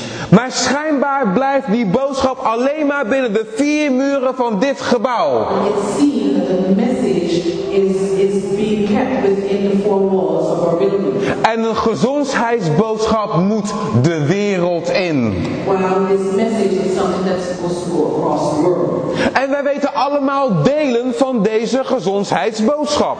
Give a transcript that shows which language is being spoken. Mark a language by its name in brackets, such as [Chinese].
[Dutch] Maar schijnbaar blijft die boodschap alleen maar binnen de vier muren van dit gebouw. [English] It seems that the message is being kept within the four walls of our building. [Dutch] En een gezondheidsboodschap moet de wereld in. [English] Well, this message is something that's supposed to go across the world. [Dutch] En wij weten allemaal delen van deze gezondheidsboodschap.